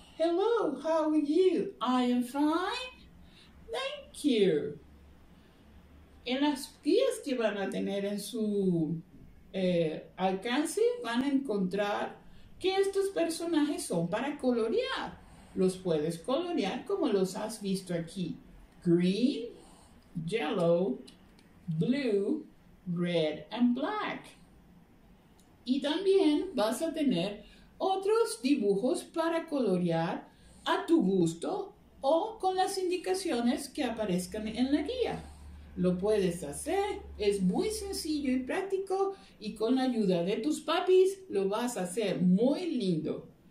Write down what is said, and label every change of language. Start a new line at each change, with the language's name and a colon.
English: Hello, how are you? I am fine. Thank you.
Spanish: En las guías que van a tener en su alcance, van a encontrar que estos personajes son para colorear. Los puedes colorear como los has visto aquí.
English: Green, yellow, blue, red and black.
Spanish: Y también vas a tener otros dibujos para colorear a tu gusto o con las indicaciones que aparezcan en la guía. Lo puedes hacer, es muy sencillo y práctico, y con la ayuda de tus papis lo vas a hacer muy lindo.